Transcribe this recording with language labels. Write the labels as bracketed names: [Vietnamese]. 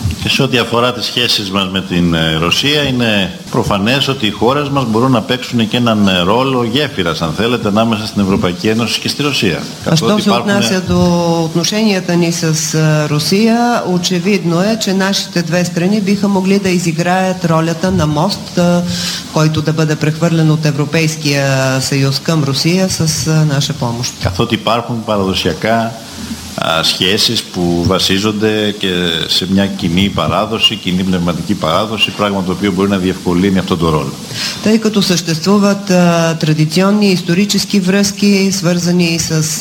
[Greek] Και σε ό,τι αφορά τις σχέσεις μας με την Ρωσία, είναι προφανές ότι οι χώρες μας μπορούν να παίξουν και έναν ρόλο γέφυρας, αν θέλετε, ανάμεσα στην Ευρωπαϊκή Ένωση και στη Ρωσία. Αυτό που [Bulgarian] отнася до отношенията ни с Ρωσία, очевидно е, че нашите две страни биха могли да изиграят ролята на мост, който да бъде прехвърлен от Европейския съюз към Русия с наша помощ. [Greek] Καθότι υπάρχουν παραδοσιακά σχέσεις που βασίζονται και σε μια κοινή παράδοση, κοινή πνευματική παράδοση, πράγμα το οποίο μπορεί να διευκολύνει αυτό το ρόλο. [Bulgarian] Тъй като съществуват традиционни исторически връзки, свързани с